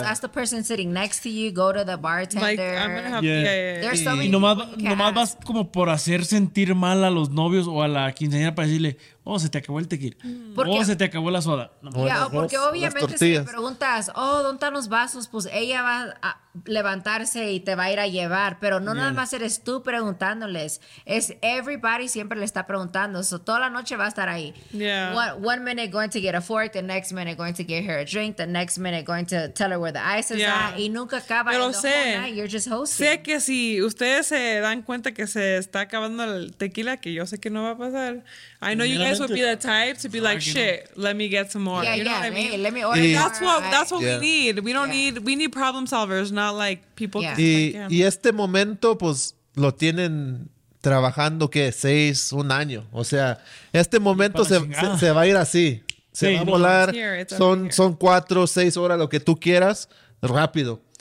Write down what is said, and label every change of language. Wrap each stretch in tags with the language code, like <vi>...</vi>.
<en>Yeah. Ask the person sitting next to you. Go to the bartender. Like, I'm gonna have There's so many.</en> <es>Y nomás vas como por hacer sentir mal a los novios o a la quinceañera para decirle, se te acabó el tequila. O se te acabó la soda. Porque obviamente si le preguntas, ¿dónde están los vasos? Pues ella va a levantarse y te va a ir a llevar. Pero no nada más eres tú preguntándoles. Es everybody siempre le está preguntando. So toda la noche va a estar ahí.</es> <en>Yeah. One minute going to get a fork, the next minute going to get her a drink, the next minute going to tell her where the ice is at.</en> <es>Y nunca acaba. Pero sé.</es> <en>You're just hosting.</en> <es>Sé que si ustedes se dan cuenta que se está acabando el tequila, que yo sé que no va a pasar.</es> <en>I know you guys would be the type to be like, shit, let me get some more. Yeah, you know what I mean? Hey, let me order more. That's what we need. We need problem solvers, not like people. Yeah.</en> <es>Y este momento, pues, lo tienen trabajando, ¿qué? Un año. O sea, este momento se va a ir así. Se va a volar. Son 4 o 6 horas, lo que tú quieras, rápido.</es>